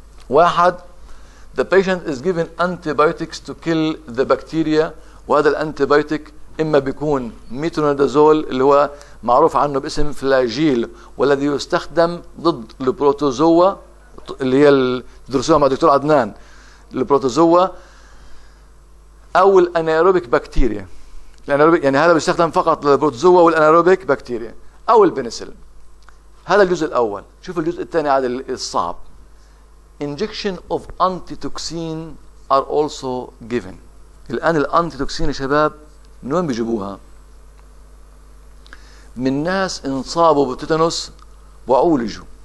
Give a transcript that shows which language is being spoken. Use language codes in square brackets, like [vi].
[ar] واحد، [en] the patient is given antibiotics to kill the bacteria، [ar] وهذا الانتيبيوتيك اما بيكون ميترونيدازول اللي هو معروف عنه باسم فلاجيل، والذي يستخدم ضد البروتوزوا اللي هي درسوها مع دكتور عدنان، البروتوزوا او الانيروبيك بكتيريا، الانيروبيك يعني هذا بيستخدم فقط للبروتوزوا والانيروبيك بكتيريا او البنسلين. هذا الجزء الاول، شوف الجزء الثاني عاد الصعب. [en] Injection of antitoxin are also given. [ar] الآن الانتيتوكسين يا شباب من وين بيجيبوها؟ من ناس انصابوا بالتيتانوس وعولجوا.